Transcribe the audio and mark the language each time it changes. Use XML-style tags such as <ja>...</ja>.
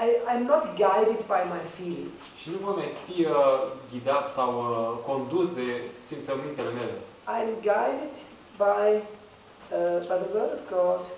<en>I'm not guided by my feelings.</en> <ro>Și nu voi fi ghidat sau condus de simțămintele mele.</ro> <en>I'm guided by the word of God.</en>